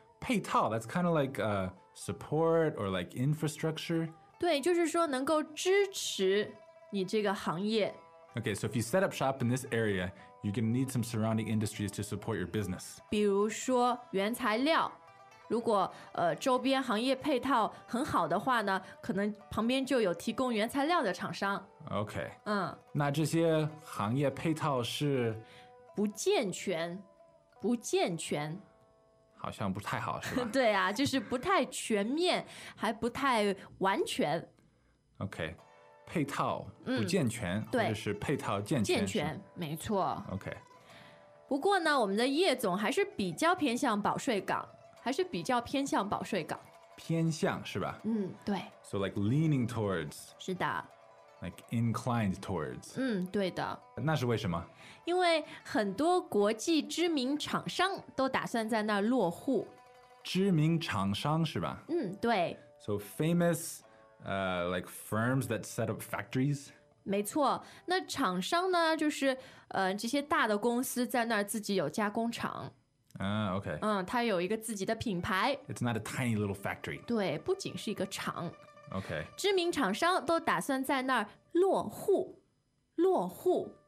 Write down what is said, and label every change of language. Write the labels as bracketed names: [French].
[English] 配套 that's kind of like support or like infrastructure. [Chinese] 对就是说能够支持你这个行业。 [English] Okay, so if you set up shop in this area, you're going to need some surrounding industries to support your business. [Chinese] 比如说原材料。如果周边行业配套很好的话呢，可能旁边就有提供原材料的厂商。 [English] OK。嗯， [Chinese] 那这些行业配套是不健全，不健全，好像不太好是吧？对啊，就是不太全面，还不太完全。 OK， 配套不健全，嗯、对或者是配套健全，健全没错。 [English] OK， [Chinese] 不过呢，我们的叶总还是比较偏向保税港。还是比较偏向保税港，偏向是吧？嗯，对。 [English] So like leaning towards. [Chinese] 是的。 [English] Like inclined towards. [Chinese] 嗯，对的。那是为什么？因为很多国际知名厂商都打算在那儿落户。知名厂商是吧？嗯，对。 [English] So famous, like firms that set up factories. [Chinese] 没错，那厂商呢，就是这些大的公司在那儿自己有加工厂。 [English] OK. [Chinese] 嗯，它有一个自己的品牌。 [English] It's not a tiny little factory. [Chinese] 对，不仅是一个厂。 [English] OK. [Chinese] 知名厂商都打算在那儿落户，落户。